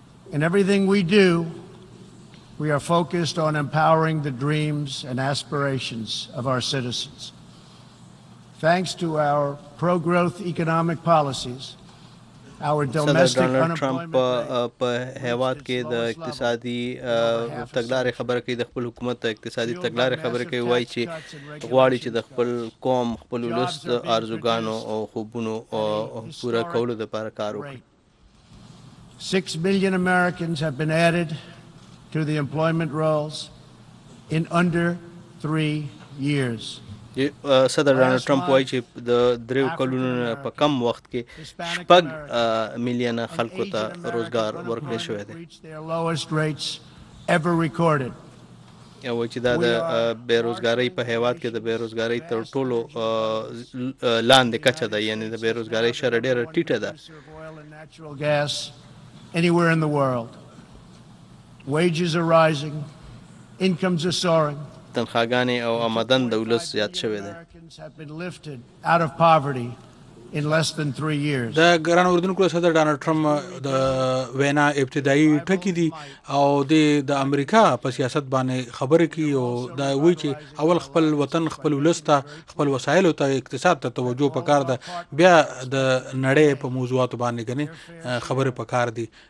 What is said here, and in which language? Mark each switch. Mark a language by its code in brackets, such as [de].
[en] In everything we do, we are focused on empowering the dreams and aspirations of our citizens. Thanks to our pro-growth economic policies, our domestic unemployment rate [ps] په هیواد کې د اقتصادي تګلارې خبره کوي، د خپل حکومت اقتصادي تګلارې خبره کوي، وایي چې غواړي چې د خپل قوم، خپل ولس ارزوګانو او خوبونو پوره کولو لپاره کار وکړي. [en] 6 million Americans have been added to the employment rolls in under 3 years. [ps] صدر ډونالډ ټرمپ وایي چې د دریو کلونو په کم وخت کې 6 میلیونه خلکو ته روزګار ورکړل شو دی. یو چې دا د بیروزګارۍ په هیواد کې د بیروزګارۍ تر ټولو لاندې کچه ده، یعنی د بیروزګارۍ شرح ډېره ټیټه ده [en] anywhere in the world. Wages are rising, incomes are soaring. [ps] تنخواګانې او آمدن د ولس زیات شوې ده. [en] Americans have been lifted out of poverty in less than 3 years. [ps] دا ګران اردوونکو، صدر ډونالډ ټرمپ د وینا ابتدایي ټکی دي، او د امریکا په سیاست باندې خبرې کوي، او دا وایي چې اول خپل وطن، خپل ولس ته، خپل وسایل او اقتصاد ته توجه پکار ده، بیا د نړۍ په موضوعاتو باندې غني خبرې پکار دي.